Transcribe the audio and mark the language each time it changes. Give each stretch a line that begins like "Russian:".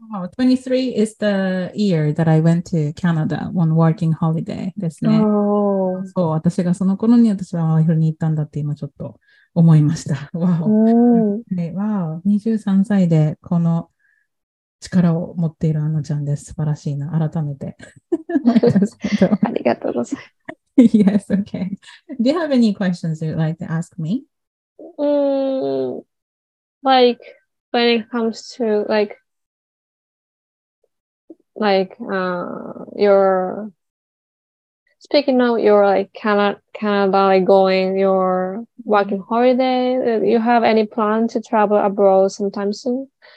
English: Oh, 23 is the year that I went to Canada on working holiday.
Japanese: ですね。そう、私がその頃に私はワーホリに行ったんだって今ちょっと思いました。
English: Wow. Wow.
Japanese: 23歳でこの力を持っているアナちゃんです。素晴らしいな。改めて。ありがとうございます。
English: Yes, okay. Do you have any questions you'd like to ask me? Like when it comes to your speaking of your like Canada like going your working holiday, you have any plan to travel abroad sometime soon?